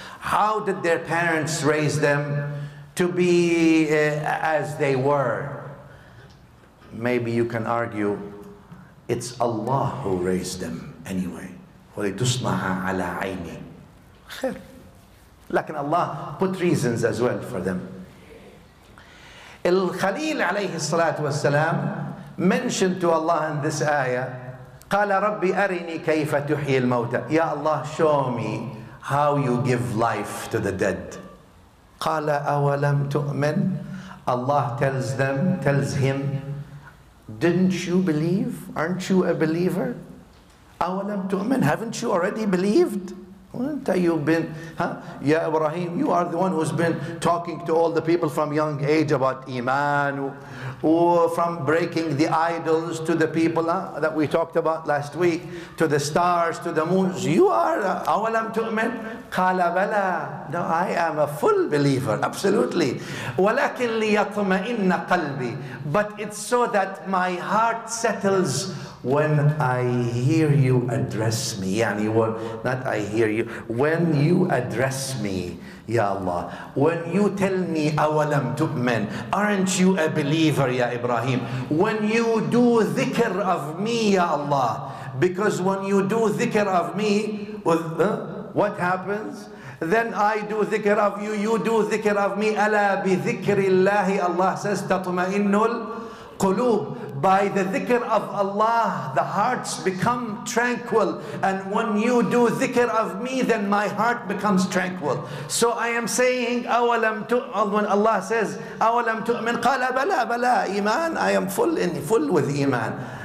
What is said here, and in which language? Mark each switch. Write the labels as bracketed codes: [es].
[en] How did their parents raise them to be as they were? Maybe you can argue, it's Allah who raised them anyway. [ar] وَلِتُصْنَعَ عَلَىٰ عَيْنِي خَيْرٌ. لكن [en] Allah put reasons as well for them. [ar] الخليل عليه الصلاة والسلام [en] mentioned to Allah in this ayah, [ar] قال ربي أرني كيف تحيي الموتى. يا الله, [en] show me how you give life to the dead. [ar] قال أولم تؤمن. [en] Allah tells him, didn't you believe? Aren't you a believer? [ar] أولم تؤمن, [en] haven't you already believed? Haven't you been, [ar] يا إبراهيم, [en] you are the one who's been talking to all the people from young age about Iman, from breaking the idols to the people that we talked about last week, to the stars, to the moons. You are, [ar] أولم تؤمن؟ قال بلى. [en] No, I am a full believer, absolutely. [ar] ولكن ليطمئن قلبي. [en] But it's so that my heart settles when I hear you address me. [ar] يعني, [en] well, not I hear you, when you address me, Ya Allah, when you tell me, [ar] أولم تؤمن, [en] aren't you a believer, Ya Ibrahim? When you do dhikr of me, Ya Allah, because when you do dhikr of me, what happens? Then I do dhikr of you, you do dhikr of me. [ar] ألا بذكر الله, [en] Allah says, [ar] تطمئن القلوب. [en] By the dhikr of Allah, the hearts become tranquil. And when you do dhikr of me, then my heart becomes tranquil. So I am saying, when Allah says, [ar] أَوَلَمْ تُؤْمِنْ قَالَ بَلَى بَلَى إِيمَانْ, [en] I am full with Iman.